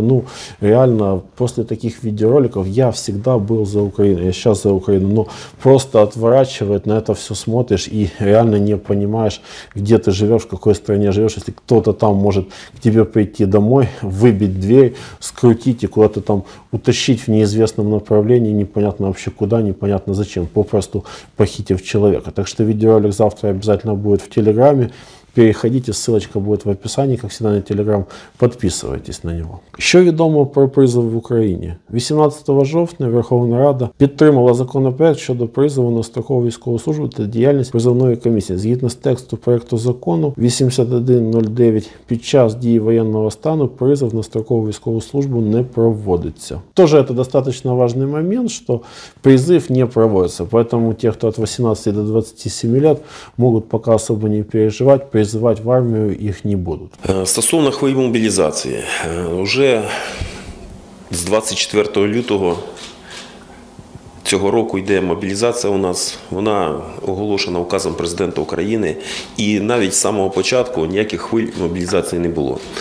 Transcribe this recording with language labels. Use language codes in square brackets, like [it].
[ru] Ну, реально, после таких видеороликов я всегда был за Украину, я сейчас за Украину, но просто отворачивает, на это все смотришь и реально не понимаешь, где ты живешь, в какой стране живешь, если кто-то там может к тебе прийти домой, выбить дверь, скрутить и куда-то там утащить в неизвестном направлении, непонятно вообще куда, непонятно зачем, попросту похитив человека. Так что видеоролик завтра обязательно будет в Телеграме. Переходите, ссылочка будет в описании, как всегда, на Телеграм, подписывайтесь на него. [uk] Що відомо про призов в Україні? 18 жовтня Верховна Рада підтримала законопроект щодо призову на строкову військову службу та діяльність призовної комісії. Згідно з тексту проекту закону 8109, під час дії воєнного стану призов на строкову військову службу не проводиться. [ru] Тоже это достаточно важный момент, что призыв не проводится, поэтому те, кто от 18 до 27 лет, могут пока особо не переживать. Призывать в армию их не будут. [uk] Стосовно хвилі мобілізації, уже з 24 лютого цього року йде мобілізація у нас. Вона оголошена указом президента України, і навіть з самого початку ніяких хвиль мобілізації не було.